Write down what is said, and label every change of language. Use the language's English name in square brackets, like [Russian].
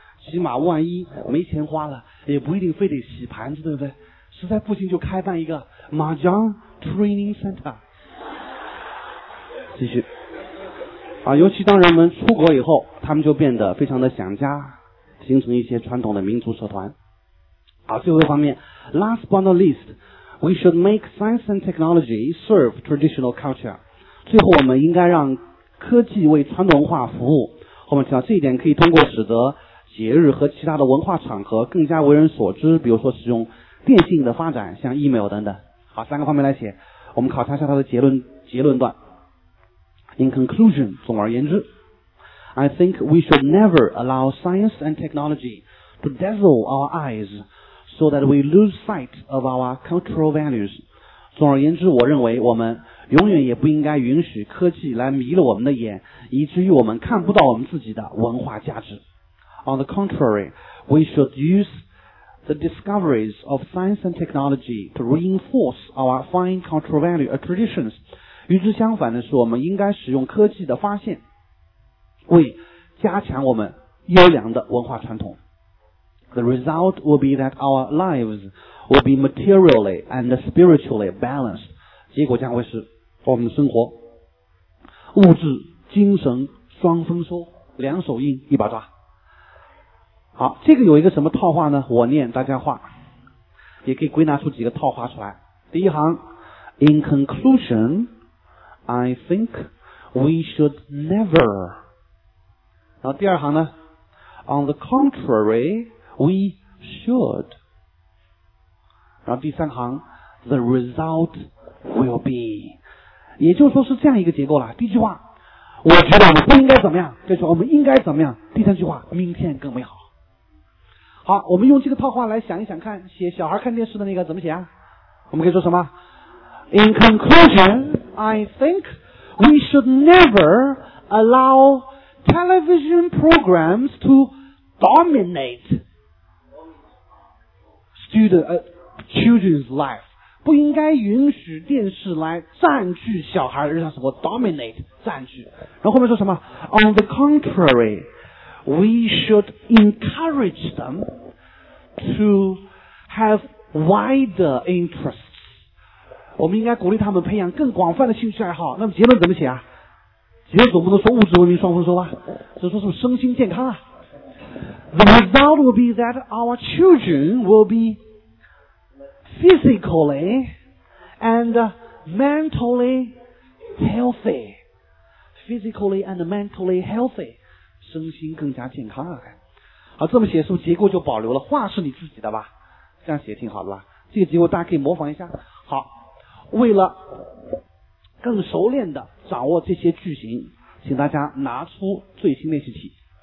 [Chinese] 起码万一没钱花了，也不一定非得洗盘子，对不对？实在不行就开办一个麻将 [English] training center。 [Chinese] 继续啊，尤其当人们出国以后，他们就变得非常的想家，形成一些传统的民族社团。好，最后一方面 ， [English] last but not least。 We should make science and technology serve traditional culture. [Chinese] 最后我们应该让科技为传统文化服务。后面提到这一点可以通过使得节日和其他的文化场合更加为人所知，比如说使用电信的发展，像 email 等等。好，三个方面来写。我们考察一下它的结论段。 [English] In conclusion, [Chinese] 总而言之， [English] I think we should never allow science and technology to dazzle our eyes. So that we lose sight of our cultural values. [Chinese] 总而言之，我认为我们永远也不应该允许科技来迷了我们的眼，以至于我们看不到我们自己的文化价值。 [English] On the contrary, we should use the discoveries of science and technology to reinforce our fine cultural value, traditions. [Chinese] 与之相反的是，我们应该使用科技的发现为加强我们优良的文化传统。 [English] The result will be that our lives will be materially and spiritually balanced. [Chinese] 结果将会是我们的生活物质精神双丰收，两手硬一把抓。好，这个有一个什么套话呢？我念大家话，也可以归纳出几个套话出来。第一行， [English] In conclusion, I think we should never. [Chinese] 然后第二行呢， [English] On the contrary,We should. [Chinese] 然后第三行 [English] The result will be. [Chinese] 也就是说是这样一个结构了。第一句话，我觉得我们不应该怎么样，这句话我们应该怎么样，第三句话，明天更美好。好，我们用这个套话来想一想看，写小孩看电视的那个怎么写啊？我们可以说什么？ [English] In conclusion, I think we should never allow television programs to dominateChildren's life. [Chinese] 不应该允许电视来占据小孩的日常生活， dominate, 占据。然后后面说什么？ [English] On the contrary, we should encourage them to have wider interests. [Chinese] 我们应该鼓励他们培养更广泛的兴趣爱好。那么结论怎么写啊？结论总不能说物质文明双丰收吧？只说什么身心健康啊？ [English] The result will be that our children will be physically and mentally healthy. Physically and mentally healthy. [Chinese] 身心更加健康啊。好，这么写是不是结构就保留了？话是你自己的吧？这样写挺好的吧？这个结构大家可以模仿一下。好，为了更熟练的掌握这些句型，请大家拿出最新练习题。